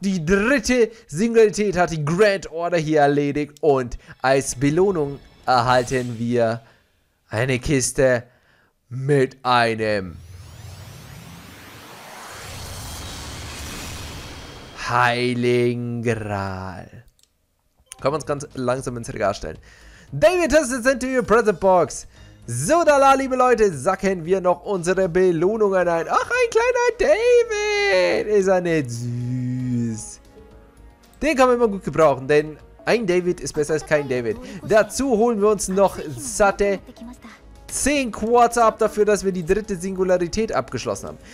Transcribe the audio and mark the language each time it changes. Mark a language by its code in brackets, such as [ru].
[de] Die dritte Singularität hat die Grand Order hier erledigt und als Belohnung erhalten wir eine Kiste mit einem Heiligen Gral. Können wir uns ganz langsam ins Regal stellen. [en] David has it sent to your present box. [de] So, da la, liebe Leute, sacken wir noch unsere Belohnungen ein. Ach, ein kleiner David. Ist er nicht süß. Den kann man immer gut gebrauchen, denn ein David ist besser als kein David. Dazu holen wir uns noch satte 10 Quartz ab dafür, dass wir die dritte Singularität abgeschlossen haben.